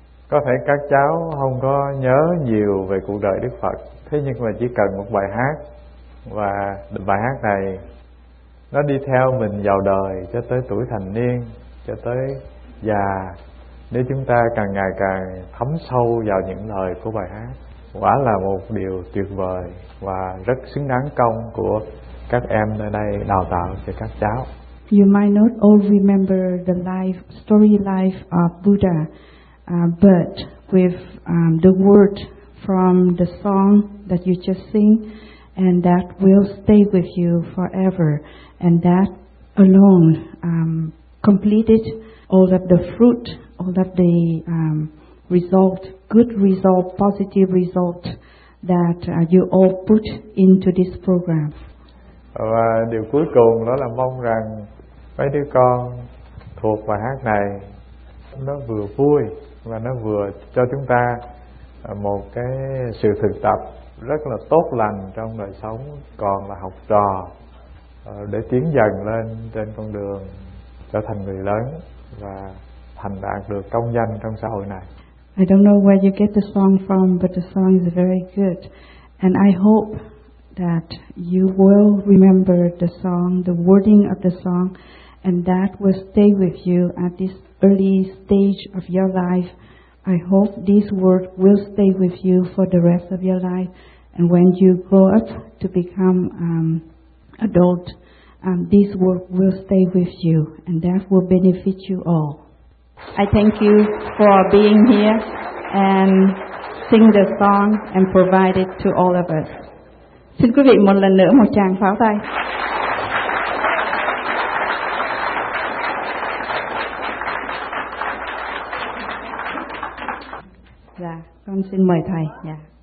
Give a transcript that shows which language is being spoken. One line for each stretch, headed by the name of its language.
Vietnamese: Có thể các cháu không có nhớ nhiều về cuộc đời Đức Phật, thế nhưng mà chỉ cần một bài hát, và bài hát này nó đi theo mình vào đời cho tới tuổi thành niên, cho tới già. Nếu chúng ta càng ngày càng thấm sâu vào những lời của bài hát, quả là một điều tuyệt vời và rất xứng đáng công của các em nơi đây đào tạo cho các cháu.
English: You might not all remember the life, story life of Buddha, but with the word from the song that you just sing, and that will stay with you forever, and that alone completed all of the fruit, all of the result, good result, positive result that you all put into this program.
Vietnamese: Và điều cuối cùng đó là mong rằng mấy đứa con thuộc bài hát này nó vừa vui và nó vừa cho chúng ta một cái sự thực tập rất là tốt lành trong đời sống còn là học trò, để tiến dần lên trên con đường trở thành người lớn và thành đạt được công danh trong xã hội này.
English: I don't know where you get the song from, but the song is very good. And I hope that you will remember the song, the wording of the song, and that will stay with you at this early stage of your life. I hope this word will stay with you for the rest of your life. And when you grow up to become adult, this word will stay with you, and that will benefit you all. I thank you for being here and sing the song and provide it to all of us.
Vietnamese: Xin quý vị một lần nữa một tràng pháo tay. Dạ, con xin mời thầy. Dạ.